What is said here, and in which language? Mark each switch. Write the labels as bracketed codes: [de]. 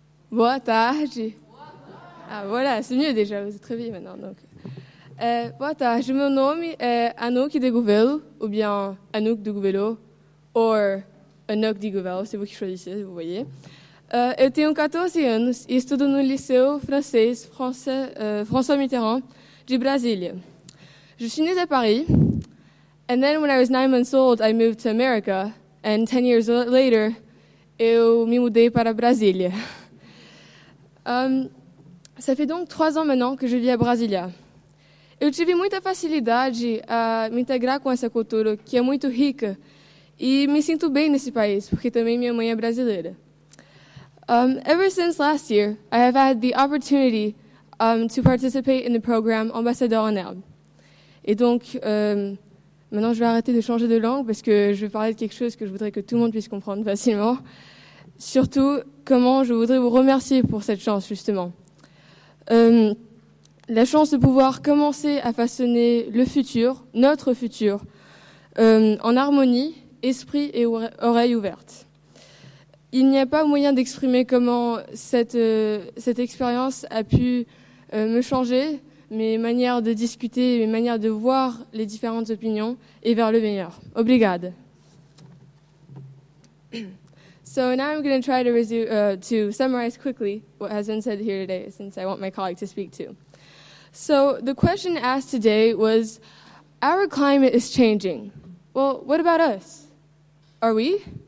[pt] Boa tarde. [fr] Ah voilà, c'est mieux déjà, vous êtes très vite maintenant. Donc. [pt] Boa tarde, meu nome é [fr] Anouk de Gouvelo, ou bien Anouk de Gouvelo, ou Anouk de Gouvelo, c'est vous qui choisissez, vous voyez. [pt] Eu tenho 14 anos e estudo no Liceu Francês François Mitterrand de Brasília. [fr] Je suis née à Paris, [en] and then when I was 9 months old, I moved to America, and 10 years later, [pt] eu me mudei para Brasília. [fr] Ça fait donc 3 ans maintenant que je vis à Brasília. [pt] Eu tive muita facilidade a me integrar com essa cultura, que é muito rica, e me sinto bem nesse país, porque também minha mãe é brasileira. [en] Ever since last year, I have had the opportunity to participate in the program Ambassador en Herbe. [fr] Et donc, maintenant je vais arrêter de changer de langue, parce que je vais parler de quelque chose que je voudrais que tout le monde puisse comprendre facilement. Surtout, comment je voudrais vous remercier pour cette chance, justement. La chance de pouvoir commencer à façonner le futur, notre futur, en harmonie, esprit et oreille ouverte. Il n'y a pas moyen d'exprimer comment cette expérience a pu me changer, mes manières de discuter, mes manières de voir les différentes opinions et vers le meilleur. [pt] Obrigada. [en] So now I'm going to try to summarize quickly what has been said here today, since I want my colleague to speak too. So the question asked today was, our climate is changing. Well, what about us? Are we?